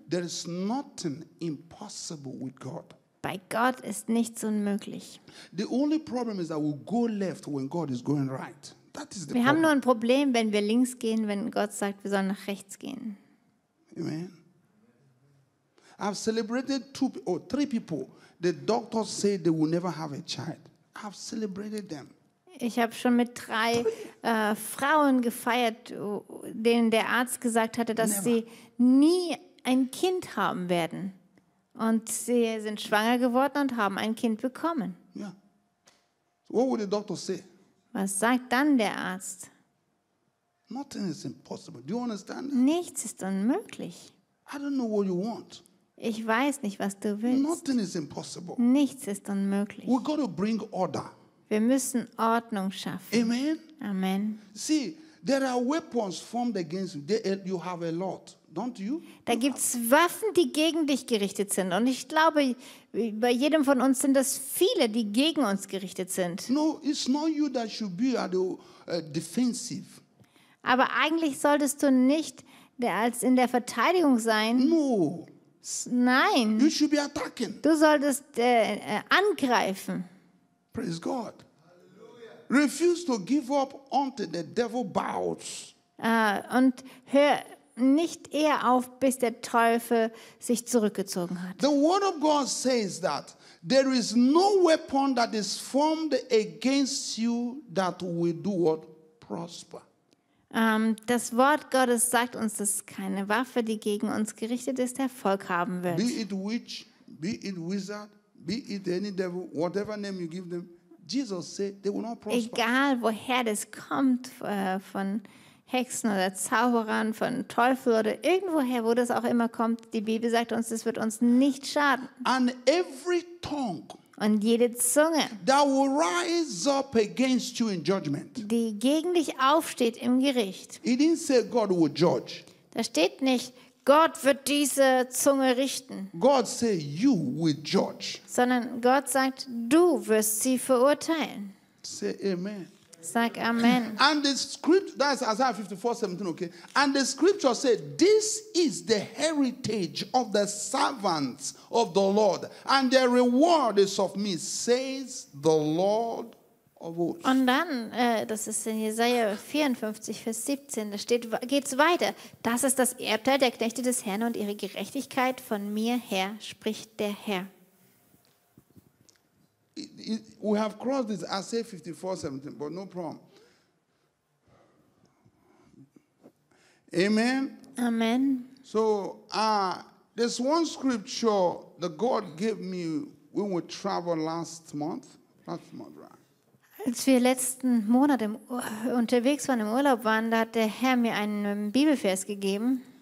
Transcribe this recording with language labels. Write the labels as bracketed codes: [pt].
[en] There is nothing impossible with God. [de] Bei Gott ist nichts unmöglich. [en] The only problem is that we go left when God is going right. That is the. [de] Wir haben nur ein Problem, wenn wir links gehen, wenn Gott sagt, wir sollen nach rechts gehen. [en] Amen. I've celebrated three people. The doctors say they will never have a child. I've celebrated them. [de] Ich habe schon mit drei Frauen gefeiert, denen der Arzt gesagt hatte, dass never. Sie nie ein Kind haben werden. Und sie sind schwanger geworden und haben ein Kind bekommen. [en] Yeah. So what would the doctor say? [de] Was sagt dann der Arzt? [en] Nothing is impossible. Do you understand? [de] Nichts ist unmöglich. [en] I don't know what you want. [de] Ich weiß nicht, was du willst. [en] Nothing is impossible. [de] Nichts ist unmöglich. [en] We got to bring order. [de] Wir müssen Ordnung schaffen. [en] Amen. [de] Amen. [en] See, there are weapons formed against you. You have a lot, don't you? [de] Da gibt's Waffen, die gegen dich gerichtet sind. Und ich glaube, bei jedem von uns sind das viele, die gegen uns gerichtet sind. [en] No, it's not you that should be at the defensive. [de] Aber eigentlich solltest du nicht als in der Verteidigung sein. [en] No. [de] Nein. [en] You should be attacking. [de] Du solltest angreifen. [en] Praise God. Hallelujah. Refuse to give up until the devil bows. [de] Und hör nicht eher auf, bis der Teufel sich zurückgezogen hat. [en] The word of God says that there is no weapon that is formed against you that will do what? Prosper. [de] Das Wort Gottes sagt uns, dass keine Waffe, die gegen uns gerichtet ist, Erfolg haben wird. [en] Be it witch, be it wizard, be it any devil, whatever name you give them, Jesus said they will not prosper. [de] Egal woher das kommt, von Hexen oder Zauberern, von Teufel oder irgendwoher, wo das auch immer kommt, die Bibel sagt uns, das wird uns nicht schaden. [en] And every tongue. [de] Und jede Zunge, [en] that will rise up against you in judgment. [de] Die gegen dich aufsteht im Gericht. [en] He didn't say God will judge. [de] Da steht nicht, Gott wird diese Zunge richten. [en] God say you will judge. [de] Sondern Gott sagt, du wirst sie verurteilen. [en] Say amen. [de] Sag amen. [en] And the scripture, that's Isaiah 54:17, okay? And the scripture said, this is the heritage of the servants of the Lord, and their reward is of me, says the Lord. [de] Und dann, das ist in Jesaja 54, Vers 17, da steht, geht's weiter. Das ist das Erbteil der Knechte des Herrn und ihre Gerechtigkeit von mir her, spricht der Herr. [en] We have crossed this Isaiah 54:17, but no problem. Amen. [de] Amen. [en] So, this one scripture that God gave me when we traveled last month, right? [de] Als wir letzten Monat unterwegs waren, im Urlaub waren, da hat der Herr mir einen Bibelvers gegeben.